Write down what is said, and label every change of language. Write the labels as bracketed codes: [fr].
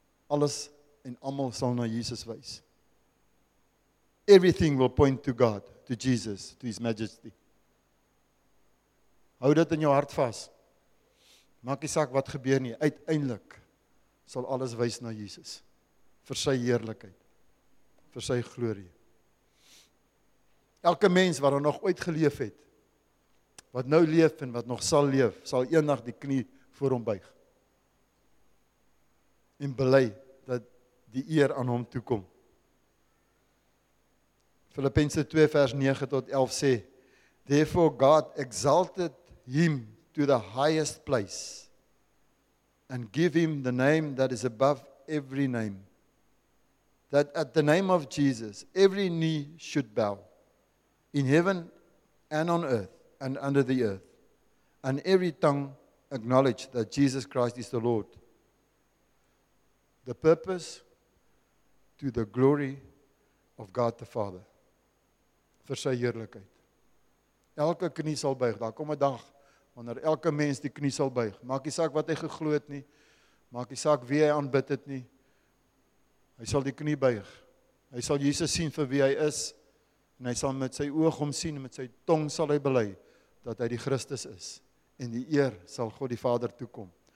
[af] Alles en almal sal na Jesus wys. [en] Everything will point to God, to Jesus, to His Majesty. [af] Hou dit in jou hart vas. Maak nie saak wat gebeur nie, uiteindelik sal alles wys na Jesus. Vir sy heerlikheid, vir sy glorie. Elke mens wat nog ooit geleef het, wat nou leef en wat nog sal leef, sal eendag die knie voor hom buig. En bely dat die eer aan hom toekom. Filippense 2 vers 9 tot 11 sê, [en] Therefore God exalted him to the highest place and give him the name that is above every name, that at the name of Jesus every knee should bow, in heaven and on earth and under the earth, and every tongue acknowledge that Jesus Christ is the Lord. The purpose to the glory of God the Father. [af] Vir sy heerlikheid. Elke knie sal buig, daar kom 'n dag, wanneer elke mens die knie sal buig. Maak nie saak wat hy geglo het nie, maak nie saak wie hy aanbid het nie, hy sal die knie buig. Hy sal Jesus sien vir wie hy is, en hy sal met sy oog hom sien, met sy tong sal hy bely, dat hy die Christus is, en die eer sal God die Vader toekom.